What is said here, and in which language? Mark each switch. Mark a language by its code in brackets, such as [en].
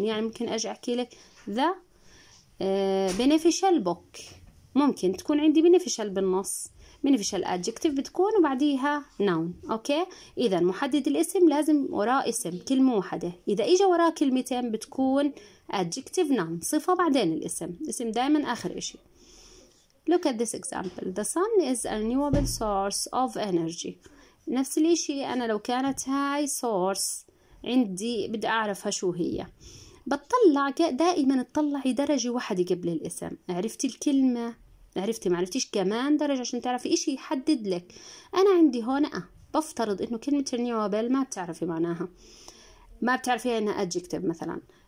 [ar] يعني ممكن أجي أحكي لك ذا beneficial book، ممكن تكون عندي beneficial بالنص، beneficial adjective بتكون وبعديها noun. أوكي؟ إذا محدد الاسم لازم وراء اسم كلمة واحدة، إذا إجا وراء كلمتين بتكون adjective noun صفة بعدين الاسم، اسم دائما آخر إشي. [en] Look at this example. The sun is a renewable source of energy. [ar] نفس الإشي أنا لو كانت هاي source عندي بدي أعرفها شو هي. بتطلع دائما تطلعي درجة واحدة قبل الاسم. عرفتي الكلمة؟ عرفتي ما عرفتيش كمان درجة عشان تعرفي إشي يحدد لك. أنا عندي هون بفترض إنه كلمة renewable ما بتعرفي معناها، ما بتعرفي إنها adjective مثلا.